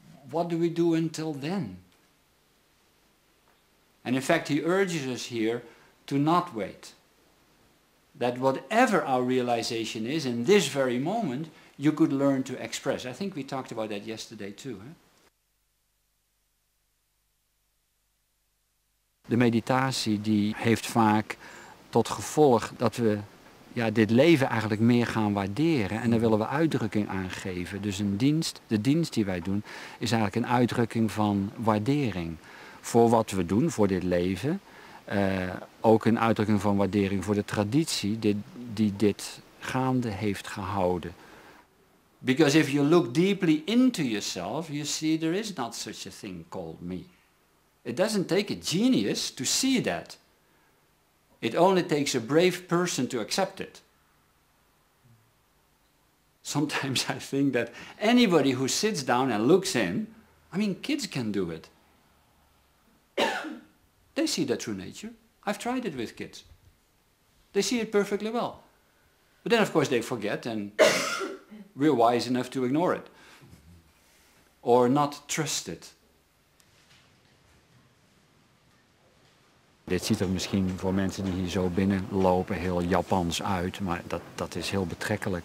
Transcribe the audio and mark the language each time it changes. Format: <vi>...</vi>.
<en>What do we do until then? And in fact, he urges us here to not wait. That whatever our realization is in this very moment, you could learn to express. I think we talked about that yesterday too. Huh?</en> <nl>De meditatie die heeft vaak tot gevolg dat we ja, dit leven eigenlijk meer gaan waarderen. En daar willen we uitdrukking aan geven. Dus een dienst, de dienst die wij doen, is eigenlijk een uitdrukking van waardering. Voor wat we doen, voor dit leven. Ook een uitdrukking van waardering voor de traditie die dit gaande heeft gehouden.</nl> <en>Because if you look deeply into yourself, you see there is not such a thing called me. It doesn't take a genius to see that. It only takes a brave person to accept it. Sometimes I think that anybody who sits down and looks in, I mean, kids can do it. They see their true nature. I've tried it with kids. They see it perfectly well. But then, of course, they forget and we're wise enough to ignore it or not trust it.</en> <nl>Dit ziet er misschien voor mensen die hier zo binnenlopen heel Japans uit, maar dat is heel betrekkelijk.</nl>